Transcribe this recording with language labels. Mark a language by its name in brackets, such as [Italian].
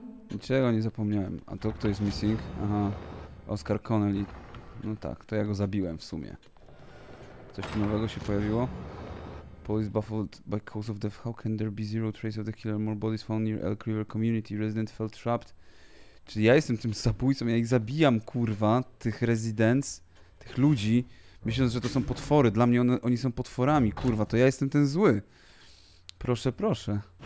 [Polish] Niczego nie zapomniałem. A to kto jest missing? Aha, Oscar Connelly. No tak, to ja go zabiłem w sumie. Coś tu nowego się pojawiło? [English] Police baffled by cause of death. How can there be zero trace of the killer? More bodies found near Elk River community. Resident felt trapped. [Polish] Czyli ja jestem tym zabójcą, ja ich zabijam, kurwa, tych residents, tych ludzi. Myśląc, że to są potwory. Dla mnie oni są potworami. Kurwa, to ja jestem ten zły. Proszę, proszę.